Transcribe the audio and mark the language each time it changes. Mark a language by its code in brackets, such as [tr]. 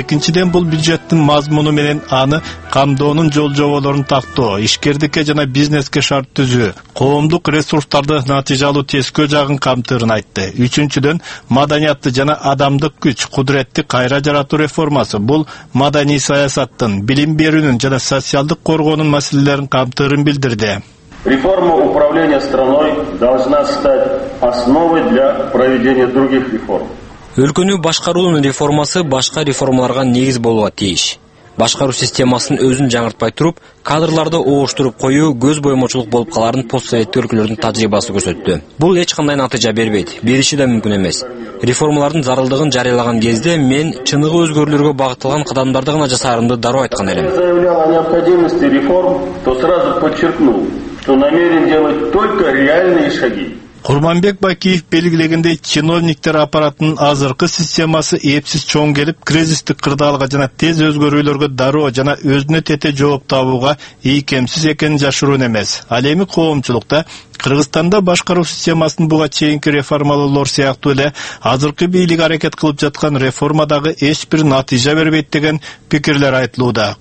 [ky] Экинчиден бул бюджеттин мазмуну менен аны камдоонун жол-жоболорун тактоо, ишкер жана бизнеске шарт түзүү, коомдук ресурстарды натыйжалуу тескөө жагын камтырын айтты. Үчүнчүдөн, маданиятты жана адамдык күч, кудуретти кайра жаратуу реформасы, бул маданий саясаттын, билим берүүнүн жана социалдык коргоонун маселелерин камтырын билдирди. [ru] Реформа управления страной должна стать основой для проведения других реформ. [ky] Өлкөнү башкаруунун реформасы башка реформаларга негиз болууга тийиш. Башкаруу системасын өзүн жаңыртпай туруп, кадрларды ооштуруп коюу көз боймочулук болуп калаарын постсоветтик өлкөлөрдүн тажрыйбасы көрсөттү. Бул эч кандай натыйжа бербейт, бериши да мүмкүн эмес. Реформалардын зарылдыгын жарыялаган кезде мен чыныгы өзгөрүүлөргө багытталган кадамдарды гана жасаарымды дароо айткан элем. [ru] Заявлял о необходимости реформ, то сразу подчеркнул, что намерен делать только реальные шаги. [ky] Курманбек Бакиев белгилегендей, чиновниктер аппаратынын азыркы системасы эпсиз чоң келип, кризистик кырдаалга жана тез өзгөрүүлөргө дароо жана өзүнө тете жооп табууга ийкемсиз экенин жашыруун эмес. Ал эми коомчулукта Кыргызстанда башкаруу системасын буга чейинки реформалоолор сыяктуу эле азыркы бийлик аракет кылып жаткан реформадагы эч бир натыйжа бербейт деген пикирлер айтылууда.